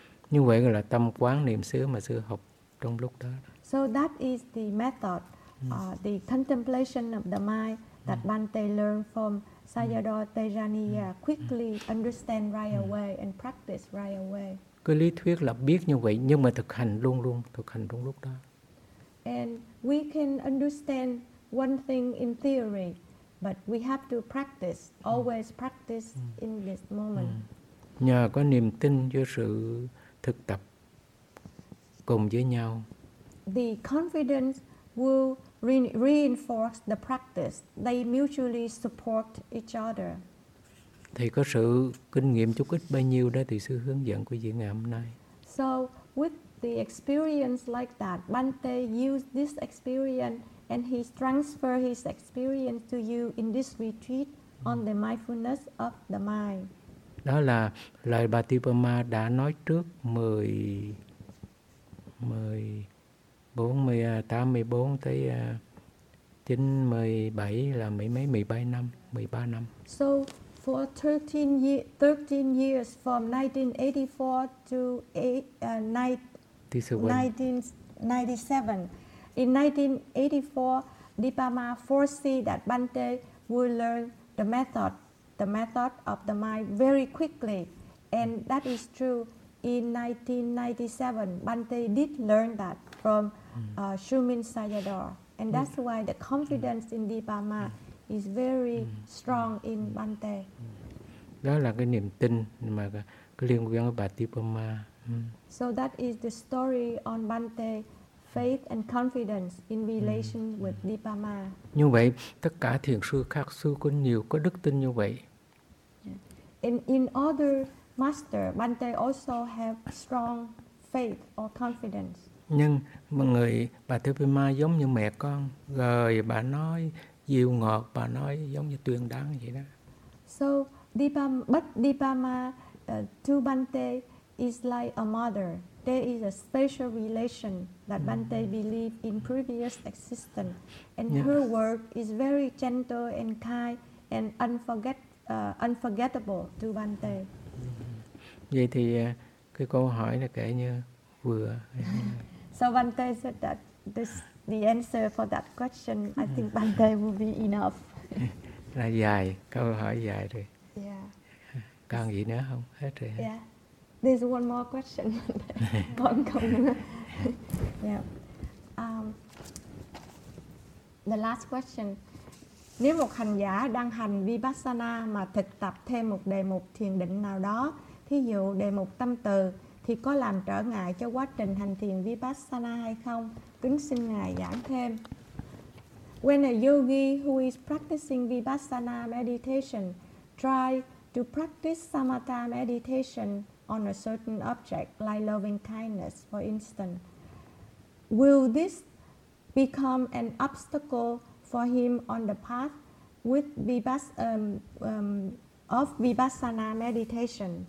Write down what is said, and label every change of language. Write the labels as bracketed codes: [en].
[vi] Như vậy gọi là tâm quán niệm xứ mà sư học trong lúc đó. [en] So that is the method, the contemplation of the mind that Bhante learned from Sayadaw Tejaniya, quickly understand right away and practice right away. [vi] Cái lý thuyết là biết như vậy, nhưng mà thực hành luôn luôn, thực hành trong lúc đó. [en] And we can understand one thing in theory, but we have to practice, always practice in this moment. [vi] Nhờ có niềm tin với sự thực tập cùng với nhau, [en] the confidence will reinforce the practice. They mutually support each other. [vi] Thì có sự kinh nghiệm chút ít bao nhiêu đó thì sư hướng dẫn quý vị ngày hôm nay. [en] So with the experience like that, Bhante used this experience and he transferred his experience to you in this retreat on the mindfulness of the mind. [vi] Đó là lời Bà Tí Pa Ma đã nói trước 14, 84 tới 97 năm. [en] So for 13 years from 1984 to 1997. In 1984, Dipama foresee that Bhante will learn the method of the mind very quickly, and that is true. In 1997, Bhante did learn that from Shumin Sayadaw, and that's why the confidence in Dipama is very strong in Bhante. [vi] Đó là cái niềm tin mà liên quan với Bà Tí Pa Ma. [en] So that is the story on Bhante, faith and confidence in relation with Dipama. [vi] Như vậy, tất cả thiền sư khác sư có nhiều có đức tin như vậy. [en] In other master, Bhante also have strong faith or confidence. [vi] Nhưng mà người Bà Tí Pa Ma giống như mẹ con, rồi bà nói dịu ngọt, bà nói giống như tuyên đáng vậy đó. [en] So Dipama to Bhante is like a mother. There is a special relation that Bhante believe in previous existence, and her work is very gentle and kind and unforgettable to Bhante. [vi] Vậy thì cái câu hỏi là kể như vừa. [en] So Bhante said that the answer for that question, I think Bhante will be enough. [vi] Là dài, câu hỏi dài rồi. [en] Yeah. [vi] Còn gì nữa không? Hết rồi. [en] Yeah. There's one more question. [vi] Còn không nữa. [en] Yeah. The last question. [vi] Nếu một hành giả đang hành Vipassana mà thực tập thêm một đề mục thiền định nào đó, thí dụ đề mục tâm từ, thì có làm trở ngại cho quá trình hành thiền Vipassana hay không? Kính xin ngài giảng thêm. [en] When a yogi who is practicing Vipassana meditation tries to practice Samatha meditation on a certain object, like loving kindness, for instance, will this become an obstacle for him on the path with of Vipassana meditation?